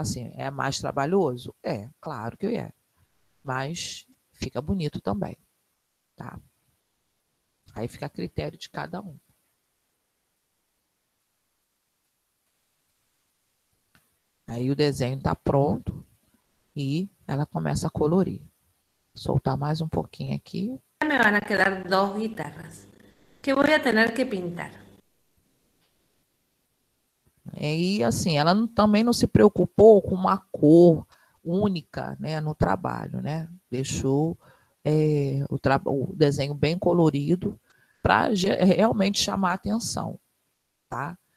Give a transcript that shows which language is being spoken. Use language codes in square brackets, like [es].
[pt] Assim, é mais trabalhoso? É, claro que é, mas fica bonito também, tá? Aí fica a critério de cada um. Aí o desenho está pronto e ela começa a colorir. Soltar mais um pouquinho aqui. [es] Me van a quedar dos guitarras que voy a tener que pintar. [pt] E assim, ela também não se preocupou com uma cor única, né, no trabalho, né? Deixou o desenho bem colorido para realmente chamar a atenção, tá?